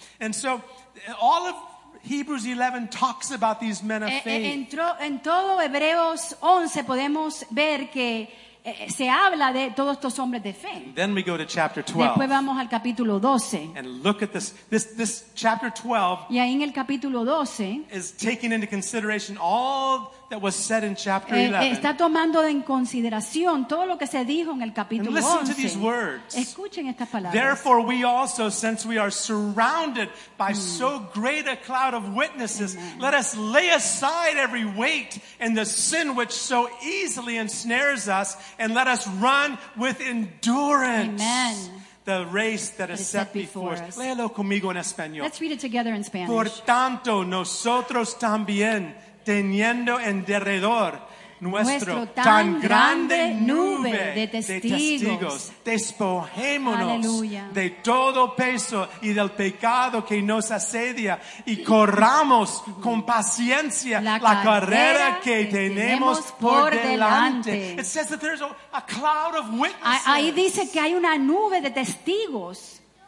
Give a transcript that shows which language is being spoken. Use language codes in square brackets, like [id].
[en] And so all of Hebrews 11 talks about these men of faith. [es] En todo Hebreos 11 podemos ver que se habla de todos estos hombres de fe. [en] And then we go to chapter 12. [es] Después vamos al capítulo 12. [en] And look at this chapter 12. [es] Y ahí en el capítulo 12 [en] is taking into consideration all that was said in chapter 11. [es] Está tomando en consideración todo lo que se dijo en el capítulo 11. [en] And listen to these words. [es] Escuchen estas palabras. [en] Therefore we also, since we are surrounded by so great a cloud of witnesses, Amen. Let us lay aside every weight and the sin which so easily ensnares us, and let us run with endurance. Amen. The race that is set before us. [es] Léelo conmigo en español. [en] Let's read it together in Spanish. [es] Por tanto, nosotros también, teniendo en derredor nuestro tan grande nube de testigos, despojémonos Aleluya. De todo peso y del pecado que nos asedia, y corramos con paciencia la carrera que tenemos por delante. [en] It says that there's a cloud of witnesses. [es] Ahí dice que hay una nube de testigos.